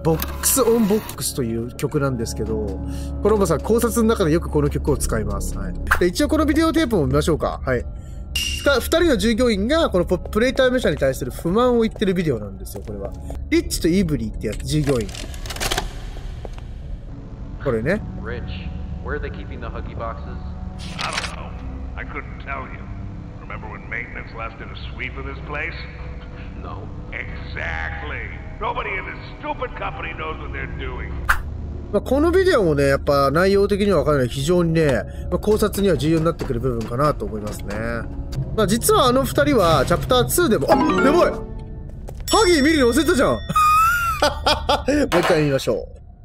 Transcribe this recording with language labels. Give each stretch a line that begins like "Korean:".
Japanese: ボックスオンボックスという曲なんですけど、コロンボさん考察の中でよくこの曲を使います。はい、で一応このビデオテープも見ましょうか。はい。二人の従業員がこのプレイタイム社に対する不満を言ってるビデオなんですよ、これは。リッチとイブリーってやつ、従業員。これね。
English: リッチ、where are they keeping the huggy boxes? I don't know. I couldn't tell you. Remember when maintenance left in a sweep of this place? No. Exactly. Nobody in this stupid company knows what they're doing.
Japanese: まあこのビデオもね、やっぱ内容的には分からない、非常にね、まあ、考察には重要になってくる部分かなと思いますね。まあ実はあの二人はチャプター2でも、あ、やばい、ハギー見るの忘れたじゃんもう一回見ましょう。